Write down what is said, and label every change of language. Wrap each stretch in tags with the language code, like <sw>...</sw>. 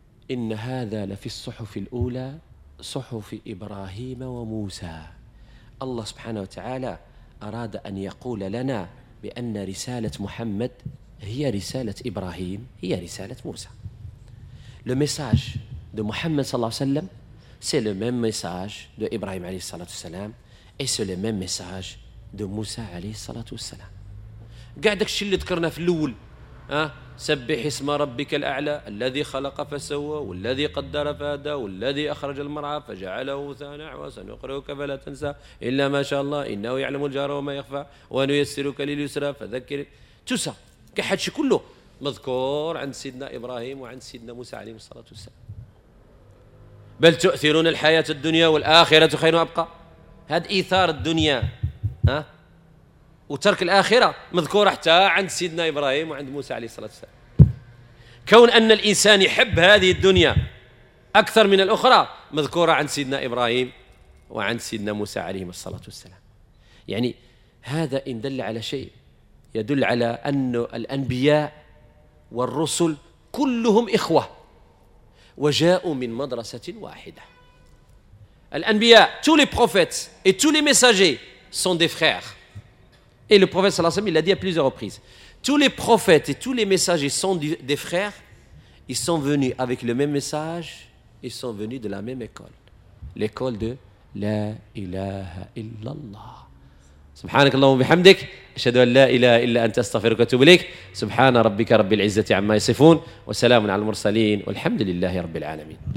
<ar>إن هذا لفي الصحف الأولى صحف إبراهيم وموسى. الله سبحانه وتعالى أراد أن يقول لنا بأن رسالة محمد هي رسالة إبراهيم، هي رسالة موسى.</ar> <fr>Le message de محمد</fr> <ar>صلى الله عليه وسلم</ar> <fr>c'est le même message de Ibrahim alayhi salatu salam et c'est le même message de Moussa alayhi salatu salam.</fr> <ar>قاعدك الشيء اللي ذكرنا في الاول ها سبح اسم ربك الاعلى الذي خلق فسوى والذي قدر فهدى والذي اخرج المرعى فجعله غثاء وسنقرئك فلا تنسى الا ما شاء الله انه يعلم الجهر وما يخفى ونيسرك لليسرى فذكر توسى كحد شيء كله مذكور عند سيدنا ابراهيم وعند سيدنا موسى عليه الصلاه والسلام. بل تؤثرون الحياة الدنيا والآخرة خير وأبقى. هذا إيثار الدنيا ها وترك الآخرة مذكور حتى عند سيدنا إبراهيم وعند موسى عليه الصلاة والسلام. كون أن الإنسان يحب هذه الدنيا أكثر من الأخرى مذكورة عند سيدنا إبراهيم وعند سيدنا موسى عليه الصلاة والسلام. يعني هذا إن دل على شيء يدل على أن الأنبياء والرسل كلهم إخوة وجاءوا من مدرسة واحدة.</ar> <fr>الأنبياء tous les prophètes et tous les messagers sont des frères. Et le prophète</fr> <ar>صلى الله عليه وسلم</ar> <fr>il l'a dit à plusieurs reprises. Tous les prophètes et tous les messagers sont des frères. Ils sont venus avec le même message. Ils sont venus de la même école. L'école de</fr> <ar>لا إله إلا الله. سبحانك اللهم وبحمدك أشهد أن لا إله إلا أنت أستغفرك وأتوب إليك. سبحان ربك رب العزة عما يصفون وسلام على المرسلين والحمد لله رب العالمين.</ar>